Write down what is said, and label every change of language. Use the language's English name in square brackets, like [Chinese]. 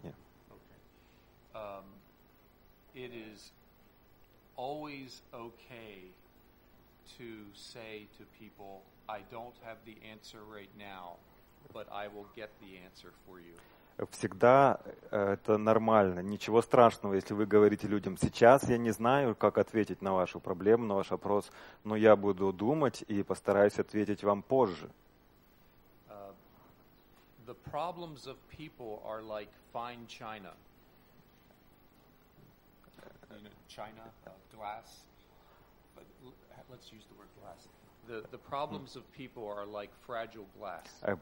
[English] Yeah. Okay. It is always okay to say to people, I don't have the answer right now, but I will get the answer for you. [Russian] Всегда это нормально. Ничего страшного, если вы говорите людям, сейчас я не знаю, как ответить на вашу проблему, на ваш вопрос, но я буду думать и постараюсь ответить вам позже. [English] The problems of people are like fine china. China, glass. But let's use the word glass. The problems of people are like fragile glass.